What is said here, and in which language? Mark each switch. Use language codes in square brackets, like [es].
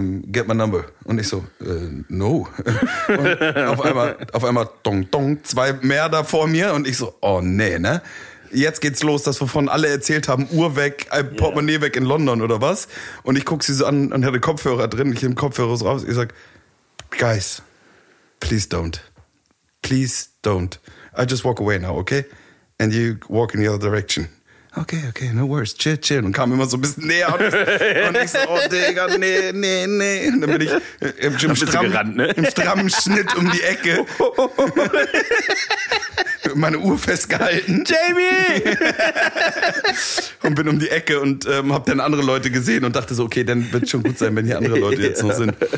[en] Get my number. [de] Und ich so, no. Und auf einmal, dong, dong, zwei mehr da vor mir. Und ich so, oh nee, ne? Jetzt geht's los, das, wovon alle erzählt haben, Uhr weg, Portemonnaie weg in London oder was. Und ich gucke sie so an und hatte Kopfhörer drin, ich nehme Kopfhörer so raus. Ich sag, [en] guys, please don't. Please don't. I just walk away now, okay? And you walk in the other direction. Okay, okay, no worries, chill, chill. [de] Und kam immer so ein bisschen näher. Und ich so, oh Digga, nee. Und dann bin ich im strammen Schnitt um die Ecke. Meine Uhr festgehalten. Jamie! Und bin um die Ecke und hab dann andere Leute gesehen und dachte so, okay, dann wird schon gut sein, wenn hier andere Leute jetzt noch sind.